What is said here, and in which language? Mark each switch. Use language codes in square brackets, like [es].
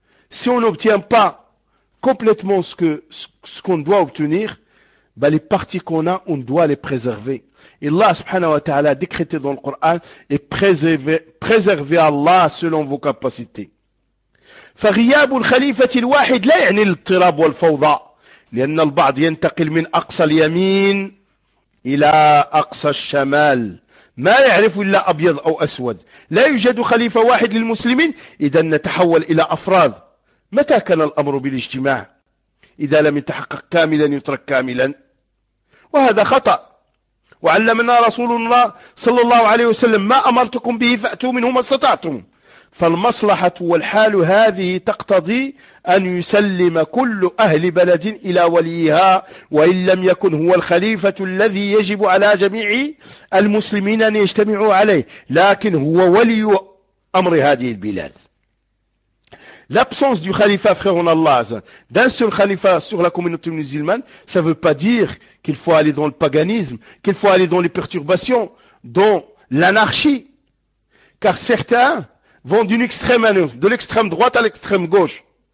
[fr] Si on n'obtient pas complètement ce qu'on doit obtenir, ben les parties qu'on a, on doit les préserver. Et Allah subhanahu wa ta'ala a décrété dans le Coran et préserver Allah selon vos capacités. [ar] فغياب الخليفة الواحد لا يعني الاضطراب والفوضى لأن البعض ينتقل من أقصى اليمين إلى أقصى الشمال ما يعرف إلا أبيض أو أسود لا يوجد خليفة واحد للمسلمين إذا نتحول إلى أفراد متى كان الأمر بالاجتماع إذا لم يتحقق كاملا يترك كاملا وهذا خطأ وعلمنا رسول الله صلى الله عليه وسلم ما أمرتكم به فأتوا منه ما استطعتم فالمصلحة والحال هذه تقتضي أن يسلم كل أهل بلد إلى وليها وإن لم يكن هو الخليفة الذي يجب على جميع المسلمين أن يجتمعوا عليه لكن هو ولي أمر هذه البلاد. [fr] L'absence du khalifa, frère en Allah, d'un seul khalifa sur la communauté musulmane, ça ne veut pas dire qu'il faut aller dans le paganisme, qu'il faut aller dans les perturbations, dans l'anarchie. Car certains vont d'une extrême à l'autre, de l'extrême droite à l'extrême gauche.